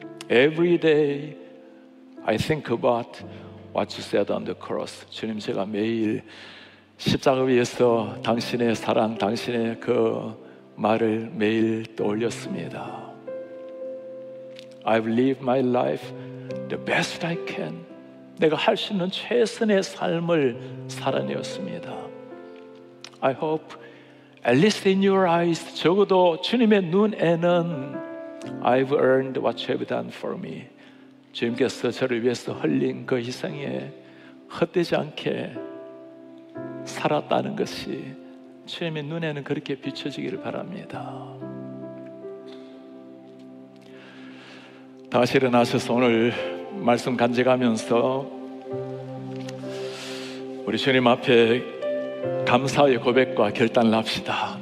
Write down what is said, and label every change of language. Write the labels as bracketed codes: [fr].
[en] Every day I think about what you said on the cross. [ko] 주님, 제가 매일 십자가 위에서 당신의 사랑, 당신의 그 말을 매일 떠올렸습니다. [en] I've lived my life the best I can. [ko] 내가 할 수 있는 최선의 삶을 살아내었습니다. [en] I hope at least in your eyes, [ko] 적어도 주님의 눈에는 [en] I've earned what you have done for me. [ko] 주님께서 저를 위해서 흘린 그 희생에 헛되지 않게 살았다는 것이 주님의 눈에는 그렇게 비춰지기를 바랍니다. 다시 일어나셔서 오늘 말씀 간직하면서 우리 주님 앞에 감사의 고백과 결단을 합시다.